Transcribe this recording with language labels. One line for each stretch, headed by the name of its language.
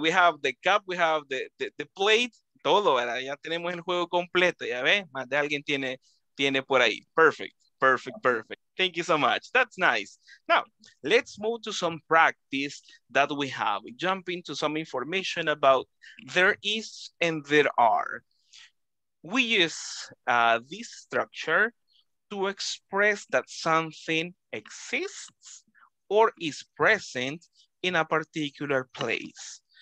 English: We have the cup, we have the plate.
Spanish: Todo, ¿verdad? Ya tenemos el juego completo, ya ves, más de alguien tiene por ahí.
English: Perfect, perfect, perfect. Thank you so much. That's nice. Now, let's move to some practice that we have. Jump into some information about there is and there are. We use this structure to express that something exists or is present in a particular place.